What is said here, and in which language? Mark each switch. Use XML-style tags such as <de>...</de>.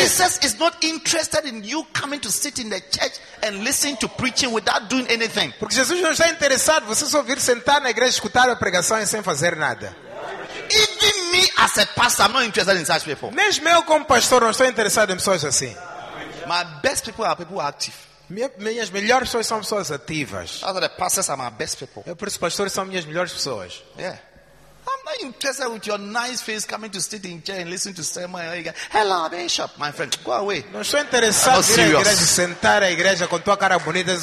<en>Jesus is not interested in you coming to sit in the church and listen to preaching without doing anything.</en> <pt>Porque Jesus não está interessado em você só vir sentar na igreja escutar a pregação e sem fazer nada.</pt> <en>Even me as a pastor, I'm not interested in such people.</en> <pt>Mesmo eu como pastor, não estou interessado em pessoas assim.</pt> <en>My best people are people active.</en> <pt>Minhas melhores pessoas são pessoas ativas.</pt> <en>Other pastors are my best people.</en> <pt>Eu por isso pastores são minhas melhores pessoas.</pt> <en>Yeah. I'm not are you interested with your nice face coming to sit in chair and listen to sermon? Hello, Bishop, my friend. Go away.</en> <pt>Não sou interessado em ir à igreja, sentar à igreja com tua cara bonita.</pt>